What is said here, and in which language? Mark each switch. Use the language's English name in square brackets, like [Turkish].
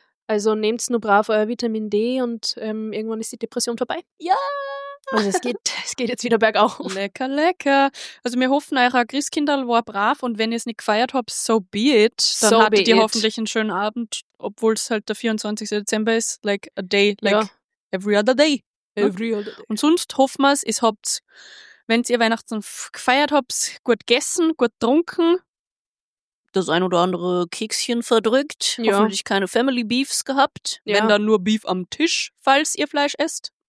[German] Also nehmt nur brav euer Vitamin D und irgendwann ist die Depression vorbei. Ja! Also es geht jetzt wieder bergauf. Lecker, lecker. Also wir hoffen, euer Christkindl war brav und wenn ihr es nicht gefeiert habt, [English] so be it. [German] Dann so hattet ihr hoffentlich einen schönen Abend, obwohl es halt der 24. Dezember ist. [English] Like a day, like every other day. Every other day. [German] Und sonst hoffen wir es, ihr habt, wenn ihr Weihnachten gefeiert habt, gut gegessen, gut getrunken. Das ein oder andere Kekschen verdrückt. Ja. Hoffentlich keine Family Beefs gehabt. Ja. Wenn dann nur Beef am Tisch, falls ihr Fleisch esst.